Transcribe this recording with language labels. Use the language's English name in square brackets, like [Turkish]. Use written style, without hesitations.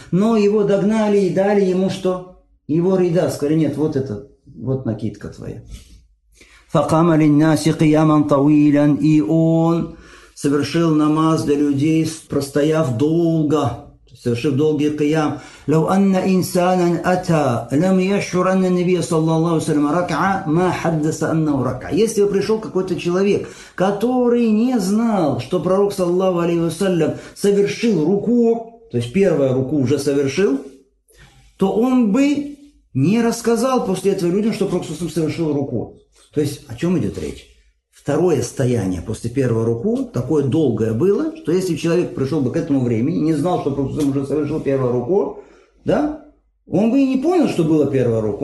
[Russian] Но его догнали и дали ему что? Его рида. Сказали, нет, вот это, вот накидка твоя. [Arabic] فقام للناس قياما طويلا [Russian] и он совершил намаз для людей, простояв долго, совершив долгий قيام. [Arabic] لو أن إنسانا أتى لم يشعر أن النبي صلى الله عليه وسلم ركع ما حدث أنه ركع. [Russian] Если бы пришел какой-то человек, который не знал, что Пророк [Arabic] صلى الله عليه وسلم [Russian] совершил руку, то есть первую руку уже совершил, то он бы не рассказал после этого людям, что Пророк صلى совершил руку. То есть, о чем идет речь? Второе стояние после первого руку такое долгое было, что если человек пришел бы к этому времени, не знал, что Пророк уже совершил первую руку, да, он бы и не понял, что было первое руку.